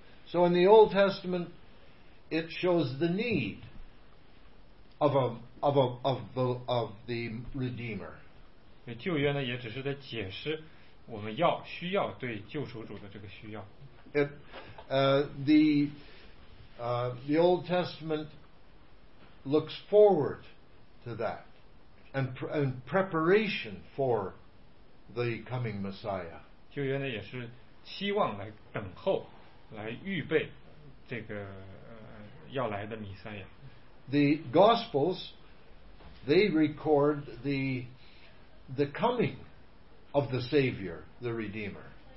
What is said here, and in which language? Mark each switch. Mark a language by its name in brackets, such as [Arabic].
[English] So in the Old Testament, it shows the need of the Redeemer. [Chinese] 旧约呢，也只是在解释我们要需要对救赎主的这个需要。 [English] The Old Testament looks forward. To that, and preparation for the coming Messiah. [Chinese] 旧约呢也是期望来等候，来预备这个要来的弥赛亚。 [English] The Gospels, they record the coming of the Savior, the Redeemer.